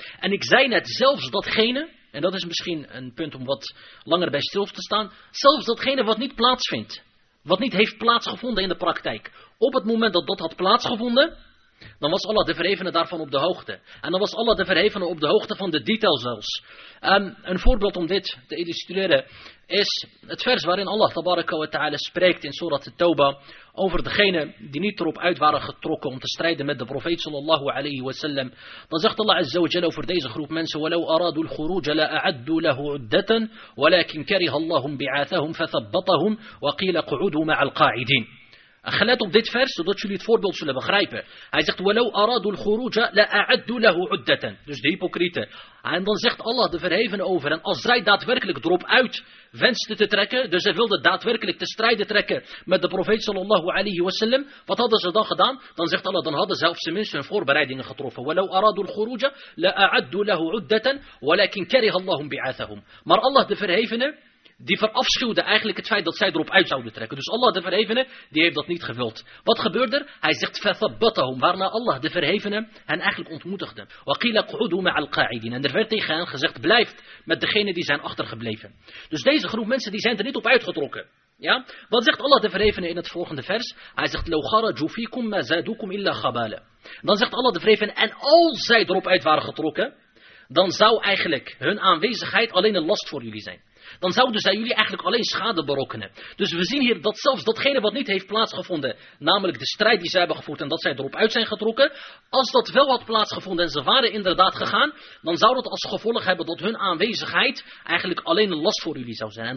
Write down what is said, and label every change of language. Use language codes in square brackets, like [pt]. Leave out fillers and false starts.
[nl] En ik zei net, zelfs datgene, en dat is misschien een punt om wat langer bij stil te staan, zelfs datgene wat niet plaatsvindt, wat niet heeft plaatsgevonden in de praktijk, op het moment dat dat had plaatsgevonden, dan was Allah de Verhevene daarvan op de hoogte. En dan was Allah de Verhevene op de hoogte van de details zelfs. Een voorbeeld om dit te illustreren is het vers waarin Allah tabaraka wa ta'ala spreekt in Surat Tauba over degene die niet erop uit waren getrokken om te strijden met de profeet sallallahu alayhi wa sallam. Dan zegt Allah azza wa jalla over deze groep mensen: [ar] وَلَوْ أَرَادُوا الْخُرُوجَ لَأَعَدُّوا لَهُ عُدَّةً وَلَكِنْ كَرِهَ اللَّهُمْ بِعَاثَهُمْ فَثَبَّطَهُمْ وَقِيلَ قُعُودُوا مَعَ الْقَاعِدِينَ. [nl] Gelet op dit vers, zodat jullie het voorbeeld zullen begrijpen. Hij zegt, [ar] وَلَوْ أَرَادُوا الْخُرُوجَ لَأَعَدُّوا لَهُ عُدَّةً. [nl] Dus de hypocrieten. En dan zegt Allah de Verhevene over, en als zij daadwerkelijk erop uit wensten te trekken, dus zij wilden daadwerkelijk te strijden trekken met de profeet sallallahu alayhi wa sallam, wat hadden ze dan gedaan? Dan zegt Allah, dan hadden ze op zijn minst hun voorbereidingen getroffen. [ar] وَلَوْ أَرَادُوا الْخُرُوجَ لَأَعَدُّوا لَهُ عُدَّةً وَلَكِنْ كَرِهَ اللَّهُمْ بِعَاثَهُمْ. [nl] Maar Allah de Verhevene, die verafschuwde eigenlijk het feit dat zij erop uit zouden trekken. Dus Allah de Verhevene, die heeft dat niet gewild. Wat gebeurde er? Hij zegt, [ar] فَثَبَّتَهُمْ, [nl] waarna Allah de Verhevene hen eigenlijk ontmoedigde. [ar] وَقِيلَ قُعُدُوا مَعَ الْقَاعِدِينَ. [nl] En er werd tegen hen gezegd, blijf met degene die zijn achtergebleven. Dus deze groep mensen, die zijn er niet op uitgetrokken. Ja? Wat zegt Allah de Verhevene in het volgende vers? Hij zegt, [ar] لَوْ خَرَجُوا فِيكُمْ مَا زَادُوكُمْ إِلَّا خَبَالًا. [nl] Dan zegt Allah de Verhevene, en als zij erop uit waren getrokken, dan zou eigenlijk hun aanwezigheid alleen een last voor jullie zijn. Dan zouden zij jullie eigenlijk alleen schade berokkenen. Dus we zien hier dat zelfs datgene wat niet heeft plaatsgevonden, namelijk de strijd die zij hebben gevoerd en dat zij erop uit zijn getrokken, als dat wel had plaatsgevonden en ze waren inderdaad gegaan, dan zou dat als gevolg hebben dat hun aanwezigheid eigenlijk alleen een last voor jullie zou zijn.